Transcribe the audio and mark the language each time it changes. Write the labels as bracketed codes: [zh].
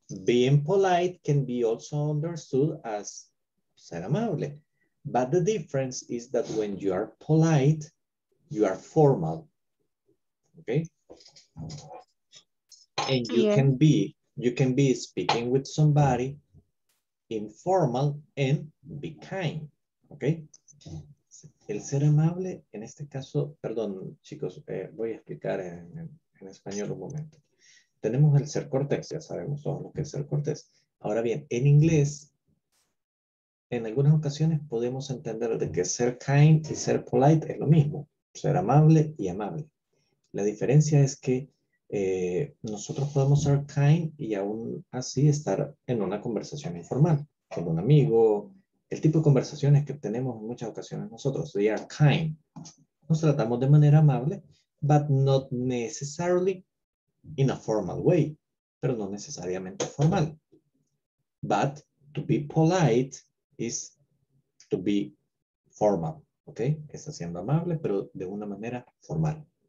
[en] Being polite can be also understood as [es] ser amable, [en] but the difference is that when you are polite, you are formal, okay? And you yeah. can be... You can be speaking with somebody informal and be kind, okay? [es] El ser amable, en este caso, perdón, chicos, voy a explicar en español un momento. Tenemos el ser cortés, ya sabemos todos lo que es ser cortés. Ahora bien, en inglés, en algunas ocasiones podemos entender de que ser kind y ser polite es lo mismo. ser amable y amable. La diferencia es que nosotros podemos ser kind y aún así estar en una conversación informal con un amigo, el tipo de conversaciones que tenemos en muchas ocasiones nosotros. [en] We are kind. [es] Nos tratamos de manera amable, [en] but not necessarily in a formal way, [es] pero no necesariamente formal. [en] But to be polite is to be formal, okay? [es] Está siendo amable, pero de una manera formal.